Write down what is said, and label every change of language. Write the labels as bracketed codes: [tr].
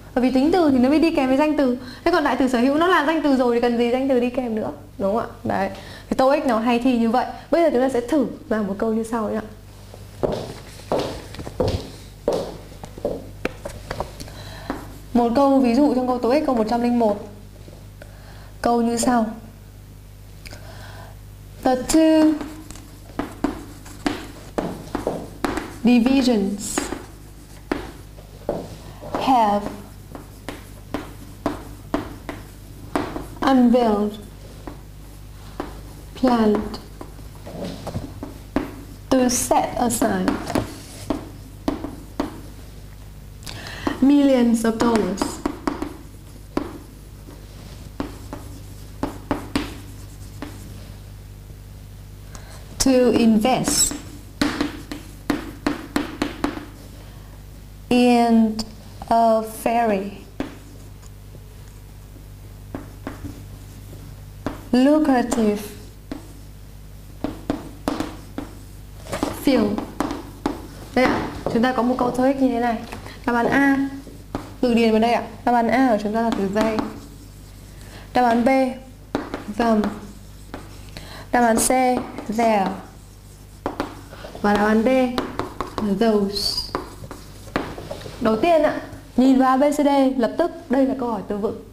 [vi] Bởi vì tính từ thì nó mới đi kèm với danh từ. Thế còn đại từ sở hữu nó là danh từ rồi thì cần gì danh từ đi kèm nữa, đúng không ạ? Đấy. Thì TOEIC nó hay thi như vậy. Bây giờ chúng ta sẽ thử làm một câu như sau nhá. Một câu ví dụ trong câu TOEIC câu 101. Câu như sau. [en] The two divisions have unveiled plans to set aside millions of dollars to invest in a ferry lucrative field. [vi] Đây ạ, chúng ta có một câu TOEIC như thế này. Đáp án A, từ điền vào đây ạ. Đáp án A của chúng ta là từ dây. Đáp án B, them. Đáp án C, there. Và đáp án D là those. Đầu tiên ạ, nhìn vào ABCD lập tức đây là câu hỏi từ vựng.